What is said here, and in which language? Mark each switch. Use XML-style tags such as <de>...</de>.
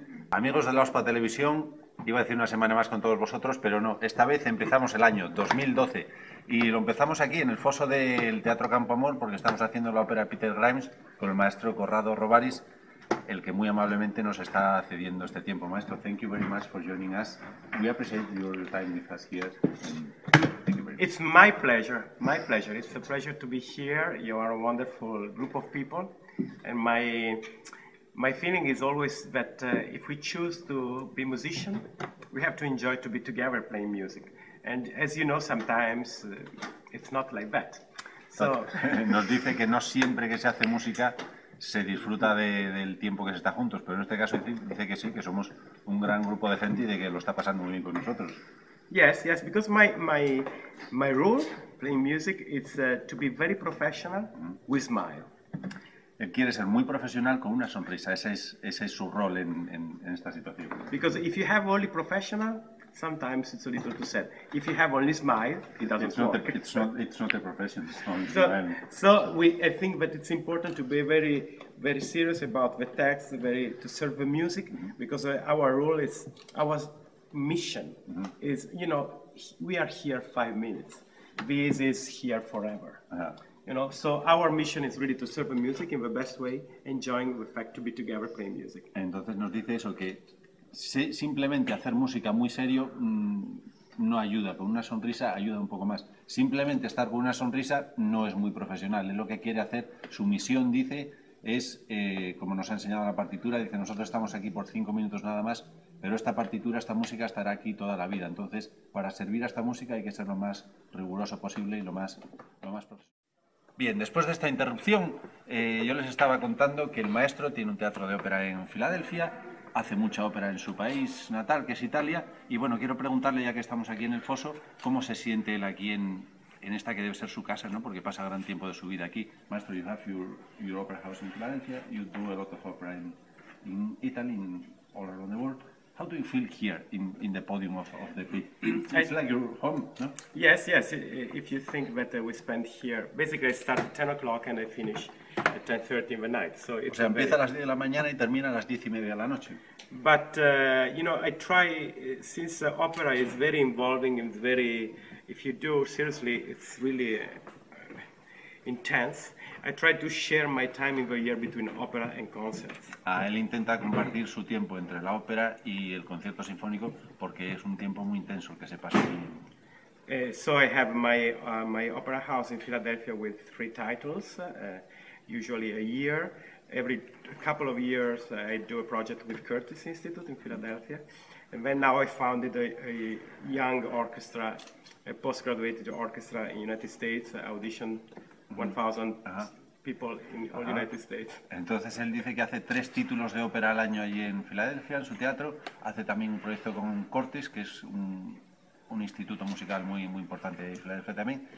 <es>Amigos de la OSPA Televisión, iba a decir una semana más con todos vosotros, pero no, esta vez empezamos el año 2012 y lo empezamos aquí en el foso del Teatro Campoamor porque estamos haciendo la ópera Peter Grimes con el maestro Corrado Rovarix, el que muy amablemente nos está cediendo este tiempo.</es> <en>Maestro, thank you very much for joining us. We appreciate your time with us here. It's my pleasure. My pleasure. It's a pleasure to be here. You are a wonderful group of people, and my feeling is always that if we choose to be musician, we have to enjoy to be together playing music. And as you know, sometimes it's not like that. So</en> <es>nos dice que no siempre que se hace música se disfruta del tiempo que se está juntos, pero en este caso dice que sí, que somos un gran grupo de gente y de que lo está pasando muy bien con nosotros.</es> <en>Yes, because my rule playing music is to be very professional with smile.</en> <es>Él quiere ser muy profesional con una sonrisa. Ese es su rol en esta situación.</es> <en>Because if you have only professional, sometimes it's a little too sad. If you have only smile, it doesn't it's not work. It's not a profession. I think that it's important to be very, very serious about the text, to serve the music, mm-hmm. because our role is our mission mm-hmm. is, you know, we are here 5 minutes. This is here forever. You know, so our mission is really to serve the music in the best way, enjoying the fact to be together playing music.</en> <es>Entonces nos dice eso, que simplemente hacer música muy serio no ayuda, con una sonrisa ayuda un poco más. Simplemente estar con una sonrisa no es muy profesional, es lo que quiere hacer. Su misión, dice, es, como nos ha enseñado la partitura, dice, nosotros estamos aquí por 5 minutos nada más, pero esta partitura, esta música estará aquí toda la vida. Entonces, para servir a esta música hay que ser lo más riguroso posible y lo más profesional. Bien, después de esta interrupción, yo les estaba contando que el maestro tiene un teatro de ópera en Filadelfia, hace mucha ópera en su país natal, que es Italia, y bueno, quiero preguntarle, ya que estamos aquí en el foso, cómo se siente él aquí en esta que debe ser su casa, ¿no? Porque pasa gran tiempo de su vida aquí.</es> <en>Maestro, you have your opera house in Filadelfia, you do a lot of opera in Italy, in all around the world. How do you feel here in the podium of the pit? It's like your home, no? Yes. If you think that we spend here, basically I start at 10 o'clock and I finish at 10:30 in the night. So it's</en> <es>o sea, empieza a las 10 de la mañana y termina a las 10 y media de la noche.</es> <en>But, you know, I try, since opera is very involving and very, if you do seriously, it's really intense. I try to share my time in the year between opera and concerts.</en> <es>Ah, él intenta compartir su tiempo entre la ópera y el concierto sinfónico porque es un tiempo muy intenso el que se pasa.</es> <en>So I have my opera house in Philadelphia with 3 titles, usually a year. Every couple of years I do a project with Curtis Institute in Philadelphia. And then now I founded a young orchestra, a postgraduate orchestra in the United States, audition 1,000 people in all United States.</en> <es>Entonces él dice que hace 3 títulos de ópera al año allí en Filadelfia, en su teatro. Hace también un proyecto con Cortes, que es un instituto musical muy, muy importante de Filadelfia también.</es>